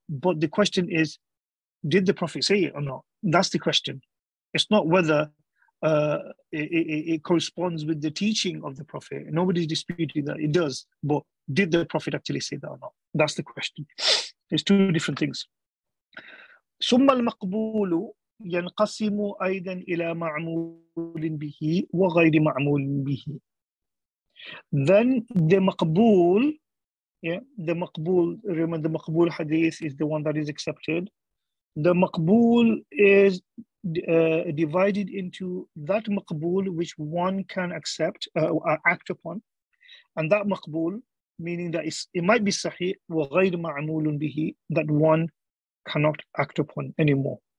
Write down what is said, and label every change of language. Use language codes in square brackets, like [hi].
[en] But the question is, did the Prophet say it or not? That's the question. It's not whether it corresponds with the teaching of the Prophet. Nobody's disputing that it does, but did the Prophet actually say that or not? That's the question. It's two different things. [ar] ثم المقبول ينقسم أيضا إلى معمول به وغير معمول به. [en] Then the maqbool, remember the maqbool hadith is the one that is accepted. The maqbool is divided into that maqbool which one can accept or act upon, and that maqbool, meaning that it might be sahih, [ar] وغير معمول به, [en] that one cannot act upon anymore.